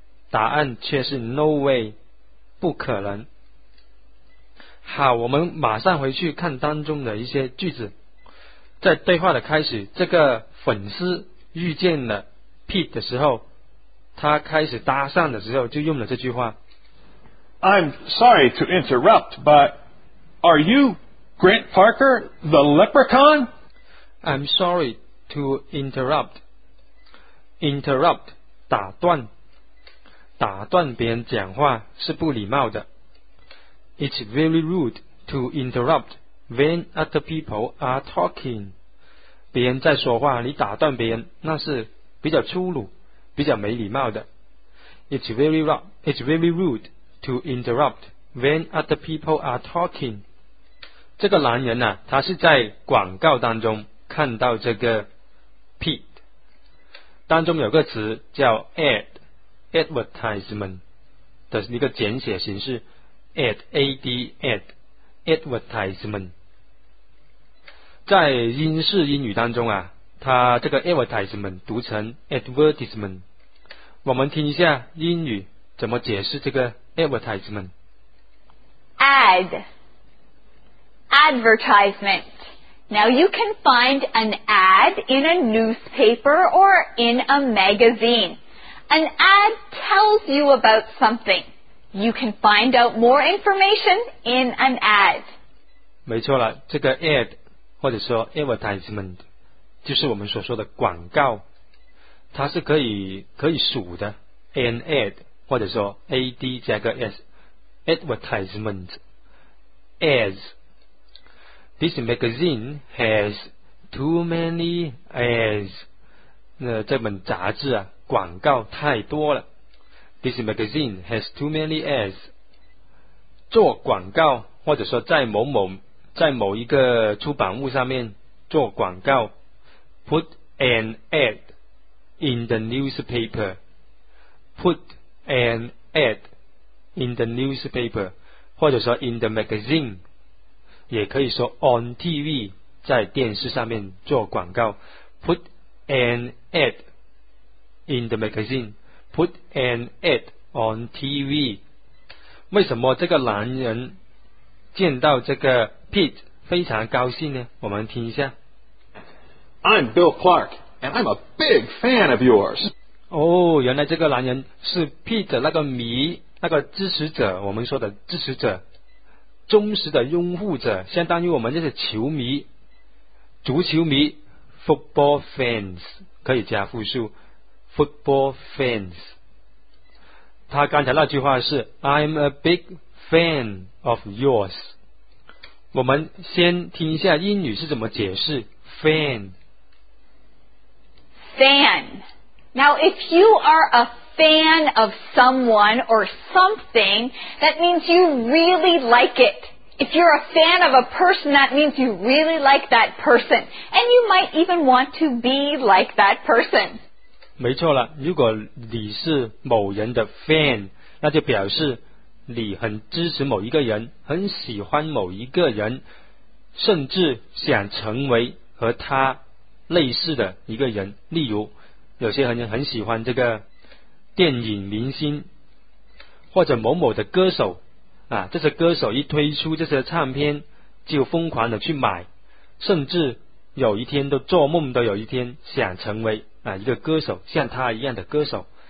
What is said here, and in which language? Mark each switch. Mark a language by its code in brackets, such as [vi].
[zh] 答案却是 [en] No way， [zh] 不可能。好，我们马上回去看当中的一些句子。在对话的开始，这个粉丝遇见了 Pete 的时候，他开始搭讪的时候就用了这句话。 [en] I'm sorry to interrupt, but are you Grant Parker, the leprechaun? I'm sorry to interrupt. Interrupt, [zh] 打断。打断别人讲话是不礼貌的。 [en] It's very rude to interrupt when other people are talking. [zh] 别人在说话，你打断别人，那是比较粗鲁，比较没礼貌的。 [en] It's very rude to interrupt when other people are talking. [zh] 这个男人啊，他是在广告当中看到这个 Pete， 当中有个词叫 ad， advertisement 的一个简写形式 ad， ad， advertisement。在英式英语当中啊，它这个 advertisement 读成 advertisement。我们听一下英语怎么解释这个 advertisement。 [en] Ad， advertisement。 Now you can find an ad in a newspaper or in a magazine. An ad tells you about something. You can find out more information in an ad. [zh] 没错了，这个 ad 或者说 advertisement 就是我们所说的广告，它是可以数的。 [en] An ad [zh] 或者说 [en] ad [zh] 加个 [en] s， advertisement as。 This magazine has too many ads. [zh] 这本杂志啊，广告太多了。 [en] This magazine has too many ads. [zh] 做广告，或者说在某一个出版物上面做广告 ， [en] put an ad in the newspaper. Put an ad in the newspaper， [zh] 或者说 [en] in the magazine。 [zh] 也可以说 [en] on TV， [zh] 在电视上面做广告。 [en] Put an ad in the magazine， Put an ad on TV。 [zh] 为什么这个男人见到这个 Pete 非常高兴呢？我们听一下。 [en] I'm Bill Clark and I'm a big fan of yours。 [zh] 哦，原来这个男人是 Pete 那个迷，那个支持者，我们说的支持者，忠实的拥护者，相当于我们这些球迷，足球迷 [en] football fans， [zh] 可以加复数 football fans。他刚才那句话是 [en] I'm a big fan of yours。 [zh] 我们先听一下英语是怎么解释 fan。 [en] Fan， Now if you are a fan of someone or something, that means you really like it. If you're a fan of a person, that means you really like that person. And you might even want to be like that person. [zh] 没错了，如果你是某人的 fan， 那就表示你很支持某一个人，很喜欢某一个人，甚至想成为和他类似的一个人。例如，有些人很喜欢这个电影明星或者某某的歌手啊，这些歌手一推出这些唱片就疯狂的去买，甚至有一天都做梦都有一天想成为啊一个歌手，像他一样的歌手。